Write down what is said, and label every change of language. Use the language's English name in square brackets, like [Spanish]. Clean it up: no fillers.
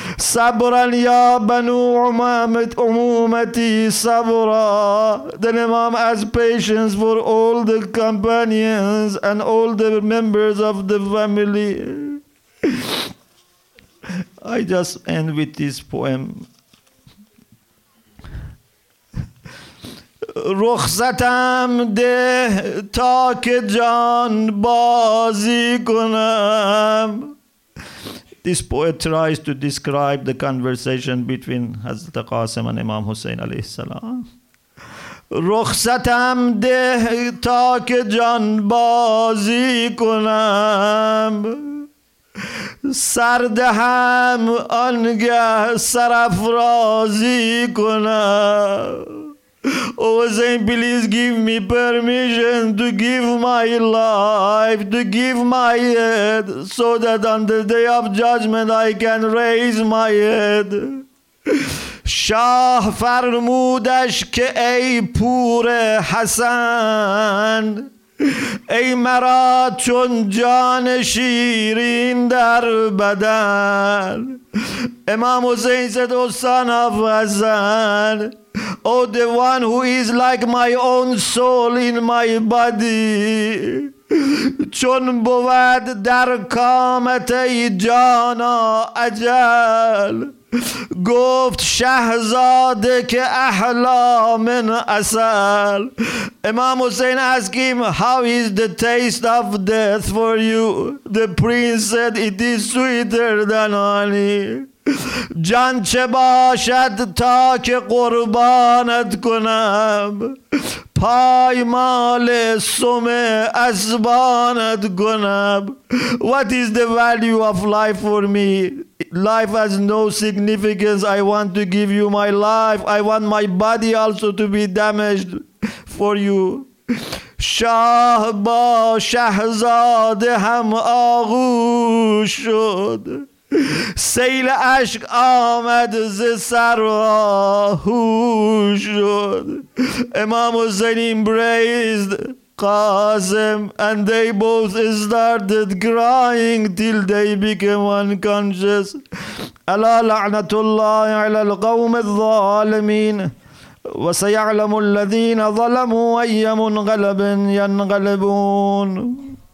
[Arabic] صبرا يا بنو عمومتي صبرا. [English] Then Imam has patience for all the companions and all the members of the family. I just end with this poem. [Persian] رخصتم ده تا که جان بازی کنم. [English] This poet tries to describe the conversation between Hazrat Qasim and Imam Hussein alayhi salam. [Persian] رخصتم ده تا که جان بازی کنم. سردهم آنگه سرفرازی کنم. [English] Oh Hussein, please give me permission to give my life, to give my head, so that on the day of judgment I can raise my head. [Persian] شاه فرمودش که ای پور حسن ای مرا چون جان شیرین در بدن. [English] Imam Hussain said, oh son of Hassan, oh the one who is like my own soul in my body, [Persian] چون بود در کامت ای جانا اجل. گفت شهزاده که [Arabic] احلا من اصل. [English] امام حسین asked him, how is the taste of death for you? The prince said, it is sweeter than honey. [Persian] جان چه باشد تا که قربانت کنم. پای مال سم اسبانت کنم. [English] What is the value of life for me? Life has no significance. I want to give you my life. I want my body also to be damaged for you. [Persian] شاه با شهزاده هم آغوش شد. سیل عشق آمد ز سر هوش شد. [English] Imam Hussain embraced Qasim and they both started crying till they became unconscious. [Arabic] ألا لعنة الله على القوم الظالمين وسيعلم الذين ظلموا أي منقلب ينقلبون.